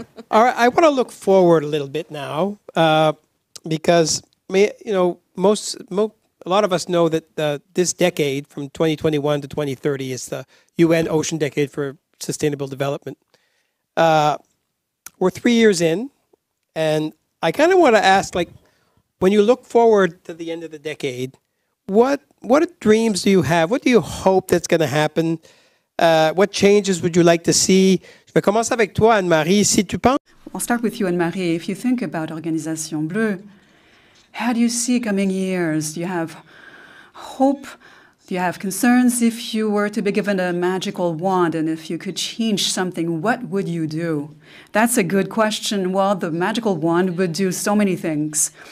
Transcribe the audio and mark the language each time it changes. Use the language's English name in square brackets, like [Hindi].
[English] All right, I want to look forward a little bit now because, you know, a lot of us know that this decade from 2021 to 2030 is the UN Ocean Decade for Sustainable Development. We're 3 years in, and I kind of want to ask, like, when you look forward to the end of the decade, what dreams do you have? What do you hope that's going to happen? What changes would you like to see? [French] Je vais commencer avec toi, Anne-Marie, si tu penses. [English] I'll start with you, Anne-Marie. If you think about Organisation Bleue, how do you see coming years? Do you have hope? Do you have concerns? If you were to be given a magical wand and if you could change something, what would you do? That's a good question. Well, the magical wand would do so many things.